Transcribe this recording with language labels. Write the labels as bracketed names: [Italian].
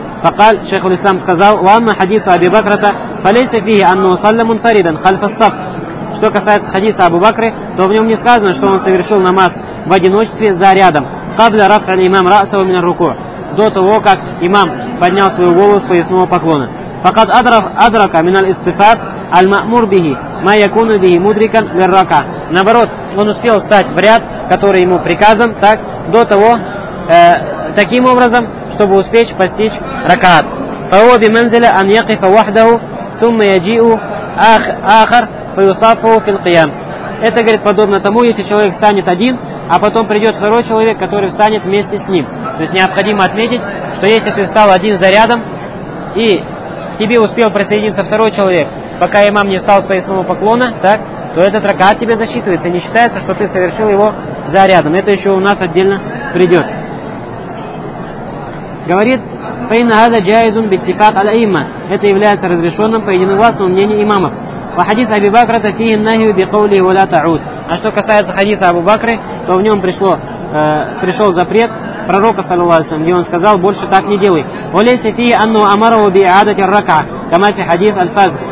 [Arabic] فقال شيخ الإسلام [Russian] сказал [Arabic] وأما حديث أبي بكر فليس فيه أنه صلى منفردا خلف الصف. [Russian] Что касается хадиса Абу Бакры, то в нем не сказано, что он совершил намаз в одиночестве за рядом, [Arabic] قبل رفع الإمام رأسه من الركوع, [Russian] до того, как имам поднял свою голову с поясного поклона. [Arabic] فقد أدرك من الاستفاض المأمور به ما يكون به مدركا للركعة. [Russian] Наоборот, он успел встать в ряд, который ему приказан, так, до того, таким образом, чтобы успеть постичь ракаат. [Arabic] فهو بمنزلة أن يقف وحده ثم يجيء آخر فيصافه في القيام. [Russian] Это, говорит, подобно тому, если человек встанет один, а потом придет второй человек, который встанет вместе с ним. То есть необходимо отметить, что если ты встал один за рядом, и к тебе успел присоединиться второй человек, пока имам не встал с поясного поклона, так, то этот ракаат тебе засчитывается, не считается, что ты совершил его за рядом. Это еще у нас отдельно придет. Говорит, [Arabic] فَإِنَّ هَذَا جَائِزٌ بِاتِّفَاقِ الْأَئِمَّةِ. [Russian] Это является разрешенным по единогласному мнению имамов. [Arabic] وَحَدِيثَ أَبِي بَكْرَةَ فِيهِ النَّهْيُ بِقَوْلِهِ وَلَا تَعُودْ. [Russian] А что касается хадиса Абу Бакры, то в нем пришел запрет пророка, саллиллахусам, где он сказал, больше так не делай. [Arabic] وَلَيْسَ فِيهِ أَنُّهُ أَمَرَهُ بِإِعَادَةِ الرَّكْعَةِ كَمَا فِي حَدِيثِ الْفَذْلِ.